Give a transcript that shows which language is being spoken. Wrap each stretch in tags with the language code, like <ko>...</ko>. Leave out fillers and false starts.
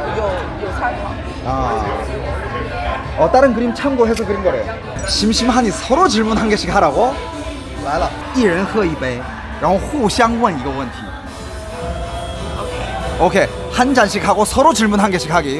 <zh>你是拷贝别人画的呀，还是你自己画的呀？还是拷贝谁的画？就是有参考。啊。哦， 다른 그림 참고해서 그린 거래.</zh> <ko>심심하니 서로 질문 한 개씩 하라고?</ko> <zh>来了，一人喝一杯，然后互相问一个问题。</zh> <ko>오케이, 한 잔씩 하고 서로 질문 한 개씩 하기.</ko>